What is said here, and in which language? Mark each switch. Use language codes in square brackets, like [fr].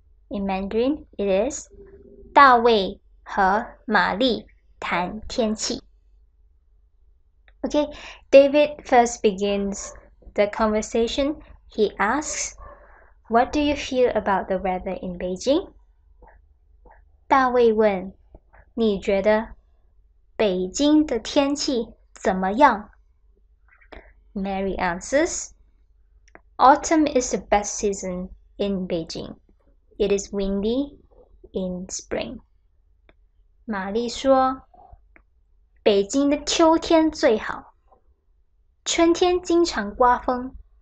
[en] In Mandarin, it is [zh] 大卫和玛丽谈天气. [en] Okay, David first begins the conversation. He asks, what do you feel about the weather in Beijing? [zh] 大卫问, 你觉得北京的天气怎么样? [en] Mary answers, autumn is the best season in Beijing. It is windy in spring. [zh] 玛丽说, 北京的秋天最好, 春天经常刮风。